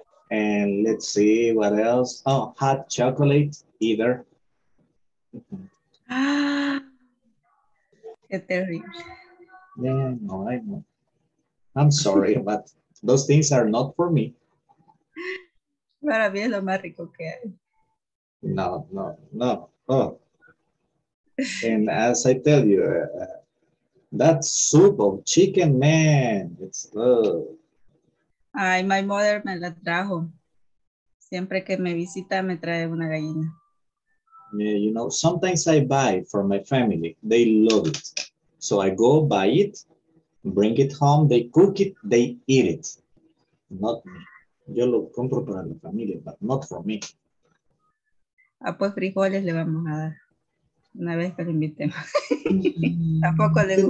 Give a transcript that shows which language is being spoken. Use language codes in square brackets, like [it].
[en] And let's see what else. Oh, hot chocolate either. [es] Qué terrible. [en] Yeah, no. I'm sorry, but those things are not for me. [es] Para mí es lo más rico que hay. No. Oh. [en] And as I tell you, that soup of chicken, man, it's good. [es] Ay, [en] my mother [es] me la trajo. Siempre que me visita, me trae una gallina. [en] Yeah, you know, sometimes I buy for my family. They love it. So I go buy it, bring it home, they cook it, they eat it. Not me. [es] Yo lo compro para la familia, [en] but not for me. [es] Ah, pues frijoles le vamos a dar. Una vez que lo invitemos. Tampoco le gusta. You